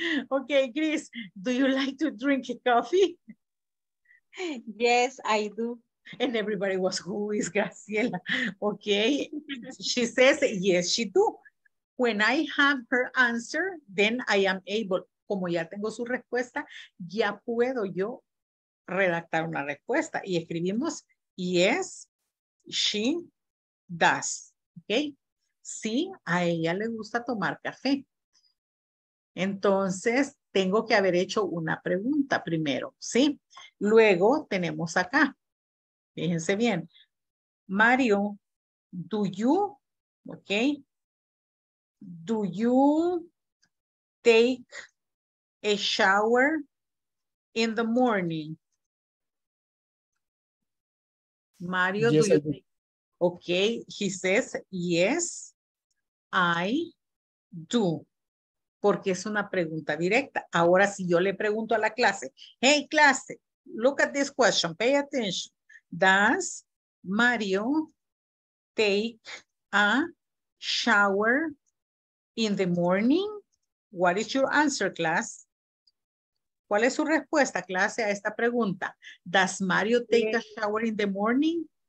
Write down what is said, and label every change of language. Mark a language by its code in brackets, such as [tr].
[en] Okay, Gris, do you like to drink coffee? Yes, I do. And everybody was, who is Graciela? Okay, she says, yes, she do. When I have her answer, then I am able. [es] Como ya tengo su respuesta, ya puedo yo redactar una respuesta. Y escribimos, [en] yes, she does. [es] Okay. Sí, a ella le gusta tomar café. Entonces, tengo que haber hecho una pregunta primero, ¿sí? Luego tenemos acá, fíjense bien. [en] Mario, do you, ok, do you take a shower in the morning? Mario, yes, do you take, ok, he says, yes, I do. [es] Porque es una pregunta directa. Ahora, si yo le pregunto a la clase, hey, clase, [en] look at this question, pay attention. Does Mario take a shower in the morning? What is your answer, class? [es] ¿Cuál es su respuesta, clase, a esta pregunta? [en] Does Mario take a shower in the morning?